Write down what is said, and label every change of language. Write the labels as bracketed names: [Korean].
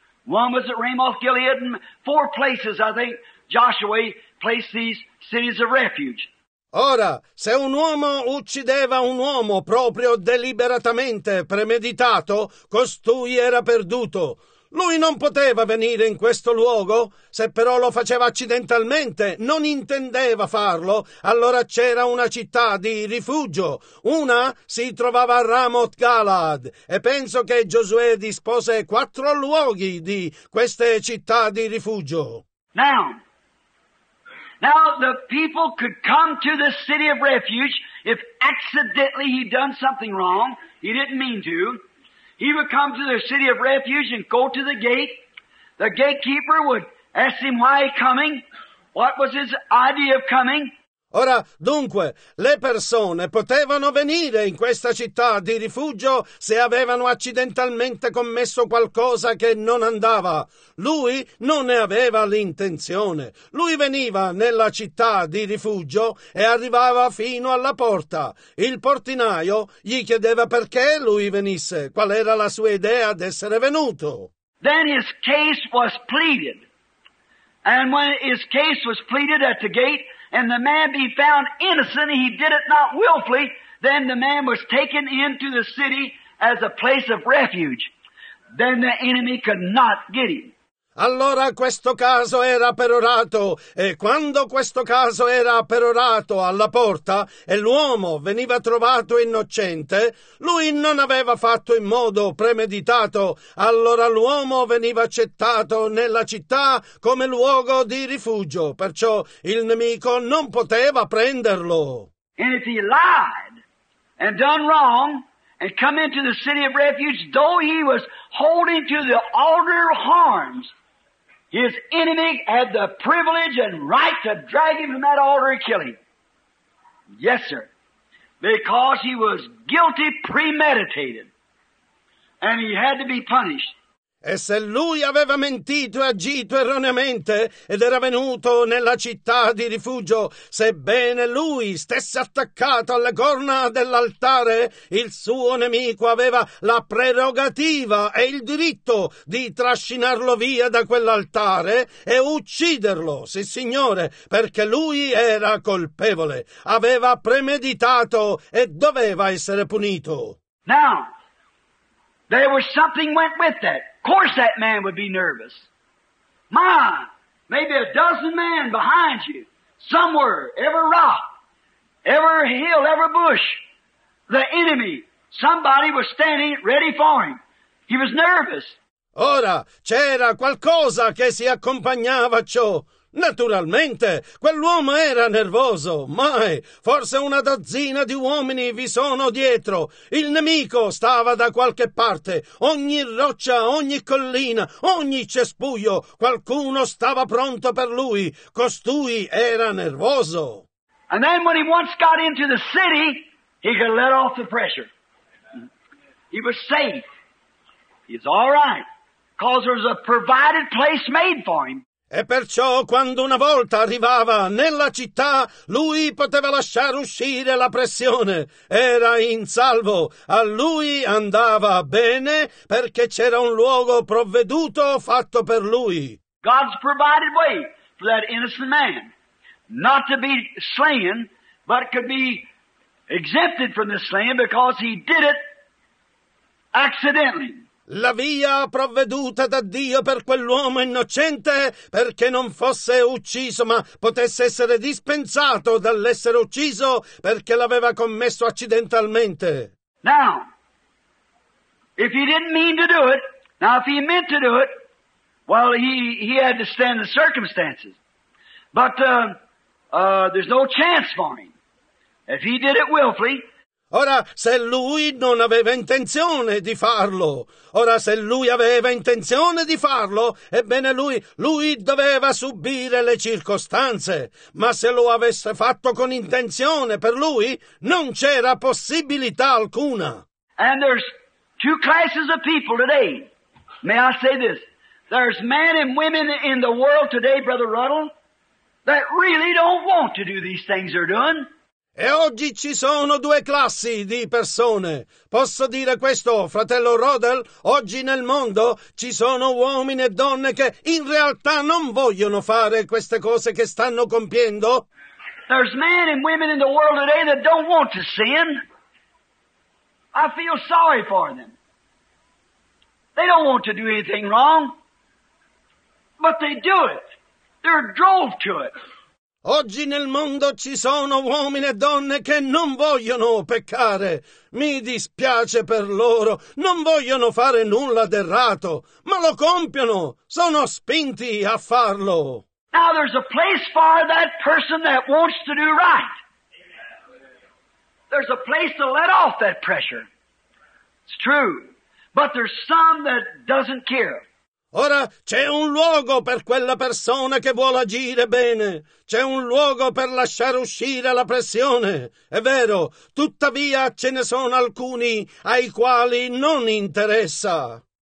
[English] One was at Ramoth-Gilead, and four places, I think, Joshua placed these cities of refuge. [Italian] Ora, se un uomo uccideva un uomo proprio deliberatamente, premeditato, costui era perduto. Lui non poteva venire in questo luogo. Se però lo faceva accidentalmente, non intendeva farlo, allora c'era una città di rifugio. Una si trovava a Ramoth Galaad, e penso che Giosuè dispose 4 luoghi di queste città di rifugio. [English] Now the people could come to the city of refuge if accidentally he'd done something wrong. He didn't mean to. He would come to the city of refuge and go to the gate. The gatekeeper would ask him why he's coming. What was his idea of coming? [Italian] Ora, dunque, le persone potevano venire in questa città di rifugio se avevano accidentalmente commesso qualcosa che non andava. Lui non ne aveva l'intenzione. Lui veniva nella città di rifugio e arrivava fino alla porta. Il portinaio gli chiedeva perché lui venisse, qual era la sua idea d'essere venuto. [English] Then his case was pleaded. And when his case was pleaded at the gate, and the man be found innocent, he did it not willfully, then the man was taken into the city as a place of refuge. Then the enemy could not get him. [Italian] Allora questo caso era perorato, e quando questo caso era perorato alla porta, e l'uomo veniva trovato innocente, lui non aveva fatto in modo premeditato, allora l'uomo veniva accettato nella città come luogo di rifugio, perciò il nemico non poteva prenderlo. [English] And if he lied and done wrong and come into the city of refuge, though he was holding to the altar horns, his enemy had the privilege and right to drag him from that altar and kill him. Yes, sir. Because he was guilty premeditated. And he had to be punished. [Italian] E se lui aveva mentito e agito erroneamente ed era venuto nella città di rifugio, sebbene lui stesse attaccato alle corna dell'altare, il suo nemico aveva la prerogativa e il diritto di trascinarlo via da quell'altare e ucciderlo, sì signore, perché lui era colpevole, aveva premeditato e doveva essere punito. [English] Now, there was something went with that. Of course that man would be nervous. My, maybe a dozen men behind you, somewhere, every rock, every hill, every bush, the enemy, somebody was standing ready for him. He was nervous. [Italian] Ora, c'era qualcosa che si accompagnava a ciò. Naturalmente, quell'uomo era nervoso, mai, forse una dozzina di uomini vi sono dietro, il nemico stava da qualche parte, ogni roccia, ogni collina, ogni cespuglio, qualcuno stava pronto per lui, costui era nervoso. [English] And then when he once got into the city, he could let off the pressure. He was safe. He's all right, because there was a provided place made for him. [Italian] E perciò quando una volta arrivava nella città, lui poteva lasciare uscire la pressione. Era in salvo. A lui andava bene perché c'era un luogo provveduto fatto per lui. [English] God's provided way for that innocent man not to be slain, but could be exempted from the slain because he did it accidentally. [Italian] La via provveduta da Dio per quell'uomo innocente perché non fosse ucciso, ma potesse essere dispensato dall'essere ucciso perché l'aveva commesso accidentalmente. [English] Now, if he didn't mean to do it, now if he meant to do it, well, he had to stand the circumstances. But there's no chance for him. If he did it willfully. [Italian] Ora, se lui non aveva intenzione di farlo, ora se lui aveva intenzione di farlo, ebbene lui doveva subire le circostanze. Ma se lo avesse fatto con intenzione per lui, non c'era possibilità alcuna. [English] And there's two classes of people today. May I say this? There's men and women in the world today, Brother Ruddle, that really don't want to do these things they're doing. [Italian] E oggi ci sono due classi di persone. Posso dire questo, fratello Rodel? Oggi nel mondo ci sono uomini e donne che in realtà non vogliono fare queste cose che stanno compiendo. [English] There's men and women in the world today that don't want to sin. I feel sorry for them. They don't want to do anything wrong. But they do it. They're drove to it. [Italian] Oggi nel mondo ci sono uomini e donne che non vogliono peccare. Mi dispiace per loro. Non vogliono fare nulla d'errato, ma lo compiono. Sono spinti a farlo. [English] Now there's a place for that person that wants to do right. There's a place to let off that pressure. It's true. But there's some that doesn't care. [Italian] Ora c'è un luogo per quella persona che vuole agire bene, c'è un luogo per lasciare uscire la pressione, è vero, tuttavia ce ne sono alcuni ai quali non interessa.